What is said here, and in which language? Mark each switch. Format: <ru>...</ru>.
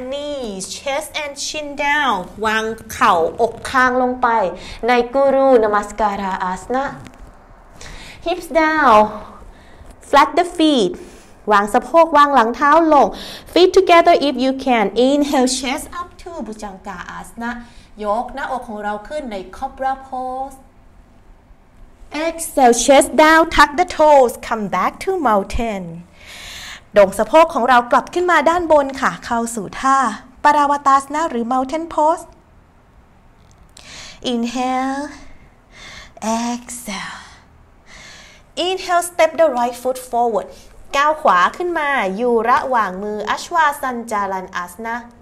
<en>Knees, chest and chin down.</en> <th>วางเข่าอกคางลงไปใน</th> <en>Guru Namaskarasana. Hips down. Flat the feet.</en> <th>วางสะโพกวางหลังเท้าลง</th> <en>Feet together if you can. Inhale, chest up to Bhujangasana.</en> <th>ยกหน้าอกของเราขึ้นใน</th> <en>Cobra Pose. Exhale, chest down, tuck the toes, come back to mountain.</en> <th>ดงสะโพกของเรากลับขึ้นมาด้านบนค่ะเข้าสู่ท่าปาราวาตาสนะหรือ mountain pose.</th> <en>Inhale, exhale. Inhale, step the right foot forward.</en> <th>ก้าวขวาขึ้นมาอยู่ระหว่างมืออัชวาสัญจาลันอาสนะ</th>